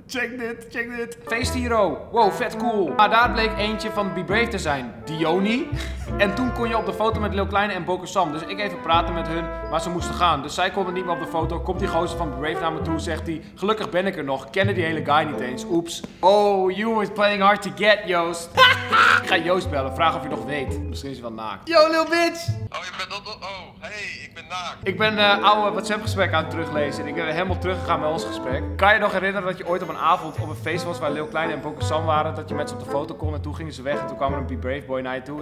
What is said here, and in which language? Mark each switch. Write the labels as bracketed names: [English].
[Dutch] Check dit. Face Hero. Wow, vet cool. Maar daar bleek eentje van Be Brave te zijn. Dioni. En toen kon je op de foto met Lil Kleine en Boko Sam. Dus ik even praten met hun, maar ze moesten gaan. Dus zij konden niet meer op de foto. Komt die gozer van Be Brave naar me toe, zegt hij. Gelukkig ben ik er nog. Kennen die hele guy niet eens. Oeps. [English] Oh, you was playing hard to get, Joost. [Dutch] Ik ga Joost bellen, vraag of je nog weet. Misschien is hij wel naakt. [English] Yo, lil bitch! [Dutch] Oh, je bent op. Oh, hey, ik ben naakt. Ik ben oude WhatsApp-gesprek aan het teruglezen. En ik ben helemaal teruggegaan bij ons gesprek. Kan je nog herinneren dat je ooit op een avond op een feest was waar Lil Kleine en Boko Sam waren? Dat je met ze op de foto kon en toen gingen ze weg. En toen kwam er een Be Brave Boy naar je toe.